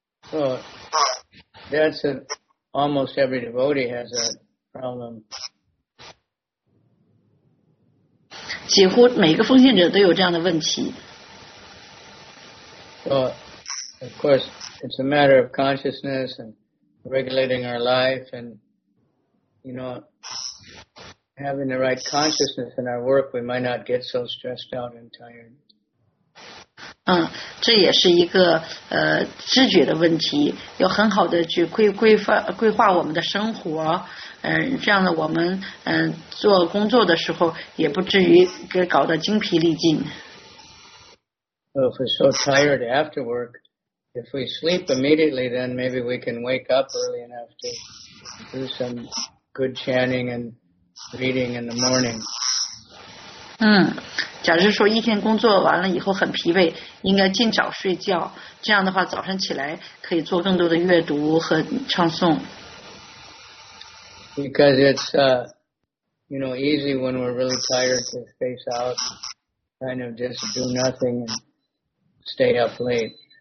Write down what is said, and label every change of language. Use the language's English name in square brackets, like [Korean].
[English] So that's almost every devotee has a problem. [Chinese] 几乎每个奉献者都有这样的问题。 [English] So, of course, it's a matter of consciousness and regulating our life and, you know, having the right consciousness in our work, we might not get so stressed out and tired. [Chinese] 这也是一个知觉的问题，要很好的去规划我们的生活，这样的我们做工作的时候也不至于给搞得精疲力尽。 [English] Well, if we're so tired after work, if we sleep immediately, then maybe we can wake up early enough to do some good chanting and reading in the morning. [Chinese] 假如说一天工作完了以后很疲惫，应该尽早睡觉，这样的话早上起来可以做更多的阅读和唱诵。 [English] Because it's, you know, easy when we're really tired to face out, kind of just do nothing and stay up late.